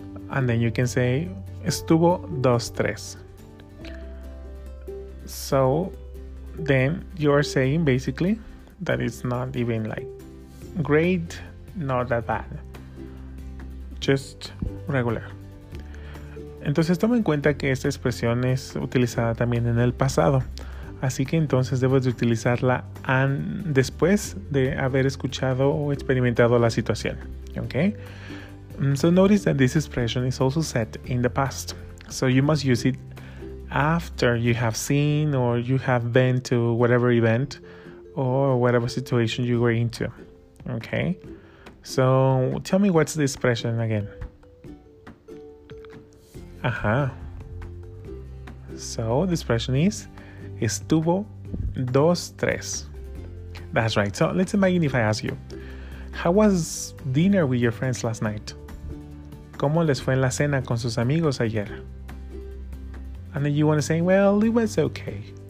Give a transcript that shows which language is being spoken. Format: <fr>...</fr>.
<en>And then you can say,</en> <es>estuvo dos tres.</es> <en>So then you are saying basically that it's not even like great, not that bad, just regular.</en> <es>Entonces toma en cuenta que esta expresión es utilizada también en el pasado, así que entonces debes de utilizarla después de haber escuchado o experimentado la situación.</es> <en>Okay, so notice that this expression is also said in the past, so you must use it after you have seen or you have been to whatever event or whatever situation you were into. Okay, so tell me, what's the expression again? So the expression is</en> <es>estuvo dos tres.</es> <en>That's right. So let's imagine if I ask you, how was dinner with your friends last night?</en> <es>¿Cómo les fue en la cena con sus amigos ayer?</es> <en>And then you want to say, well, it was okay.</en>